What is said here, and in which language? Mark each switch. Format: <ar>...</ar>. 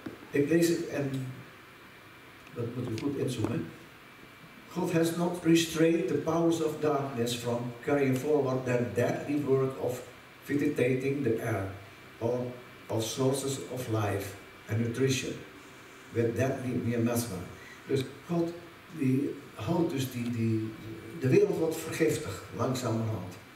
<nl>Ik lees het en dat moet u goed inzoomen.</nl> <en>God has not restrained the powers of darkness from carrying forward their deadly work of vitiating the air or of sources of life and nutrition with deadly miasma.</en> <nl>Dus God die houdt dus de wereld wordt vergiftigd, langzamerhand.</nl>